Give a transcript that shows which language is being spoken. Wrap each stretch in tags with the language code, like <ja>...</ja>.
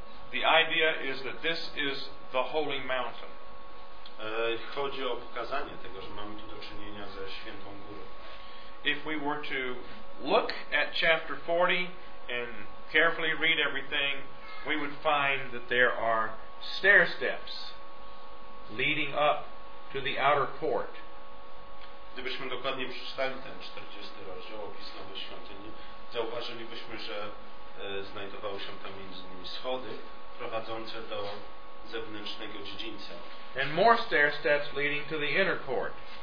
<en>The idea is that this is the holy mountain.</en> <pl>Chodzi o pokazanie tego, że mamy tu do czynienia ze świętą górą.</pl> <en>If we were to look at chapter 40 and carefully read everything, we would find that there are stair steps leading up to the outer court.</en> <pl>Gdybyśmy dokładnie przeczytali ten 40 rozdział opis nowej świątyni, zauważylibyśmy, że znajdowały się tam między innymi schody prowadzące do zewnętrznego dziedzińca.</pl> <en>And more stair steps leading to the inner court.</en>